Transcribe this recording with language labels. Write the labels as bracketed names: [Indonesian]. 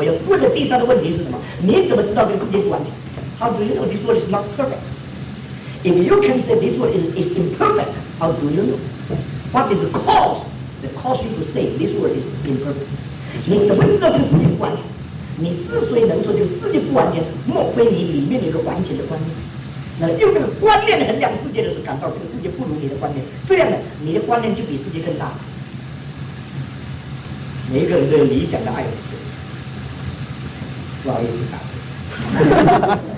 [Chinese] 我要问的第三个问题是什么？你怎么知道这个世界不完全？ [English] How do you know this world is not perfect? If you can say this world is imperfect, how do you know? What is the cause? The cause you to say this world is imperfect. [Chinese] 你怎么知道这个世界不完全？你之所以能说这个世界不完全，莫非你里面有个完全的观念？那用这个观念衡量世界的时候，感到这个世界不如你的观念，这样呢，你的观念就比世界更大。每个人都有理想的爱人，不好意思啊。